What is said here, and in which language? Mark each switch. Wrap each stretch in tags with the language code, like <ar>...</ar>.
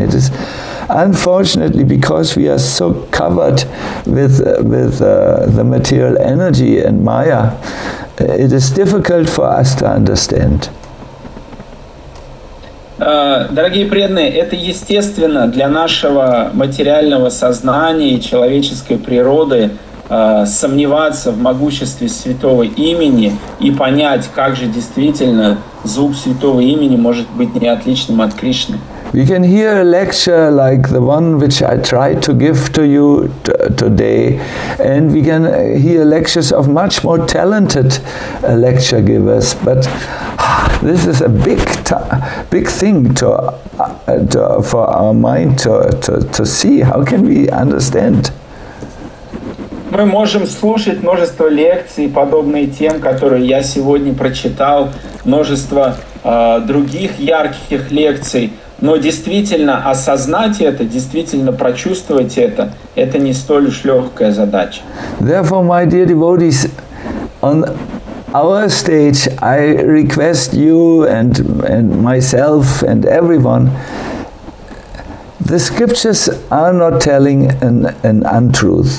<en>It is unfortunately because we are so covered with the material energy and Maya, it is difficult for us to understand.</en> <ru>Дорогие преданные, это естественно для нашего материального сознания и человеческой природы сомневаться в могуществе святого имени и понять, как же действительно звук святого имени может быть неотличным от Кришны.</ru> <en>We can hear a lecture like the one which I tried to give to you today, and we can hear lectures of much more talented lecture givers, but this is a big thing to for our mind to see. How can we understand?</en> <ru>Мы можем слушать множество лекций, подобные тем, которые я сегодня прочитал, множество других ярких лекций. Но действительно осознать это, действительно прочувствовать это не столь уж легкая задача.</ru> <en>Therefore, my dear devotees, on our stage, I request you and myself and everyone, the scriptures are not telling an untruth.</en>